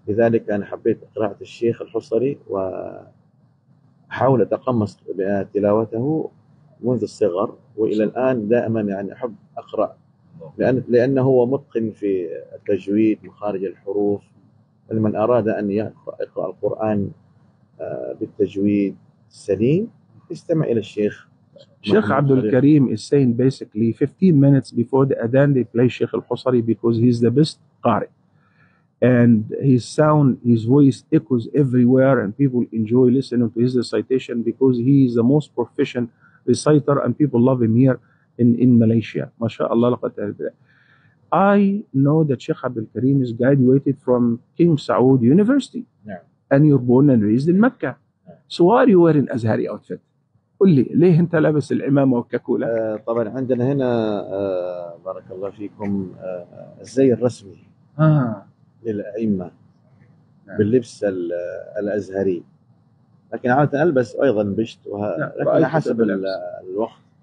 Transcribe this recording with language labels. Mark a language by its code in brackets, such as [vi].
[ar] لذلك انا حبيت قراءه الشيخ الحصري وحاول اتقمص تلاوته منذ الصغر, وإلى الآن دائما يعني أحب أقرأ لأنه هو متقن في التجويد مخارج الحروف. فمن أراد أن يقرأ القرآن بالتجويد السليم استمع إلى الشيخ. [en] شيخ عبد الكريم is saying basically 15 minutes before the Adhan they play Sheikh Al-Husri because he's the best قارئ, and his sound, his voice echoes everywhere and people enjoy listening to his recitation because he is the most proficient reciter and people love him here in Malaysia. MashaAllah. I know that Sheikh Abdul Karim is graduated from King Saud University. Yeah. And you're born and raised in Mecca. Yeah. So why are you wearing Azhari outfit? [ar] قلي ليه انت لابس العمامة والكاكولة؟ طبعا عندنا هنا بارك الله فيكم الزي الرسمي للأئمة باللبس الأزهري, لكن عادة ألبس أيضا بشت لكن حسب الوقت.